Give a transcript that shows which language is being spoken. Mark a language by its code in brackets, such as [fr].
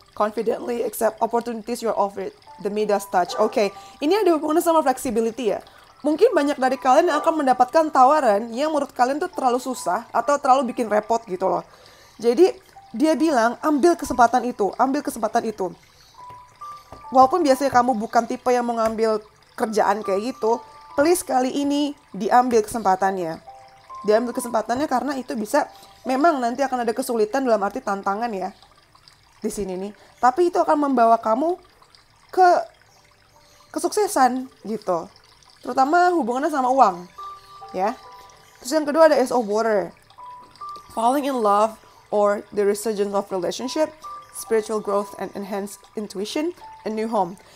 [en] Confidently accept opportunities you're offered. The Midas touch. [id] Okay. Ini ada hubungannya sama flexibility ya. Mungkin banyak dari kalian yang akan mendapatkan tawaran yang menurut kalian tuh terlalu susah atau terlalu bikin repot gitu loh. Jadi dia bilang ambil kesempatan itu, ambil kesempatan itu. Walaupun biasanya kamu bukan tipe yang mengambil kerjaan kayak gitu, please kali ini diambil kesempatannya. Diambil kesempatannya karena itu bisa, memang nanti akan ada kesulitan dalam arti tantangan ya di sini nih. Tapi itu akan membawa kamu ke kesuksesan gitu. Terutama hubungannya sama uang, ya. Terus yang kedua ada Ace of Water. [en] Falling in love or the resurgence of relationship, spiritual growth and enhanced intuition, a new home.